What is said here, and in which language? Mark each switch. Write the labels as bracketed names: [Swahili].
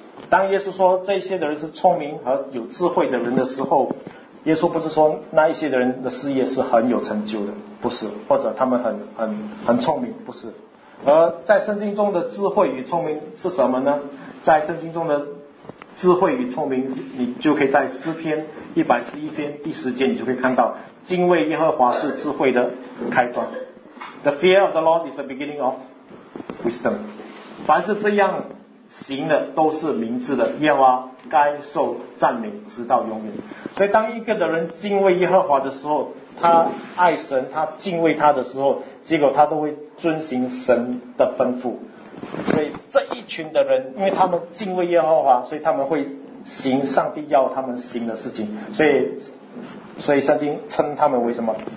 [Chinese] 当耶稣说这些的人是聪明和有智慧的人的时候，耶稣不是说那一些的人的事业是很有成就的，不是，或者他们很聪明，不是。而在圣经中的智慧与聪明是什么呢？在圣经中的智慧与聪明，你就可以在诗篇111篇第十节，你就会看到，敬畏耶和华是智慧的开端。 [English] The fear of the Lord is the beginning of wisdom. [Chinese] 凡是这样行的，都是明智的，耶和华该受赞美，直到永远。所以，当一个的人敬畏耶和华的时候，他爱神，他敬畏他的时候，结果他都会遵行神的吩咐。所以这一群的人，因为他们敬畏耶和华，所以他们会行上帝要他们行的事情，所以圣经称他们为什么？